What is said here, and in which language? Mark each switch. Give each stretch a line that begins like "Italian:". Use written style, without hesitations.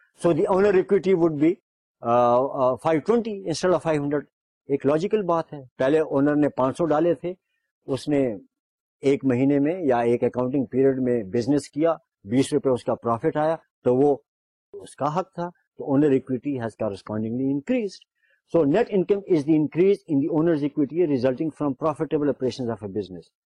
English: So the owner equity would be 520 instead of 500.
Urdu: ایک logical بات ہے, پہلے اونر نے 500 ڈالے تھے, اس نے ایک مہینے میں یا ایک اکاؤنٹنگ پیریڈ میں بزنس کیا, 20 روپے اس کا پروفٹ آیا, تو وہ اس کا حق تھا, تو owner equity has correspondingly increase.
English: So net income is the increase in the owner's equity resulting from profitable operations of a business.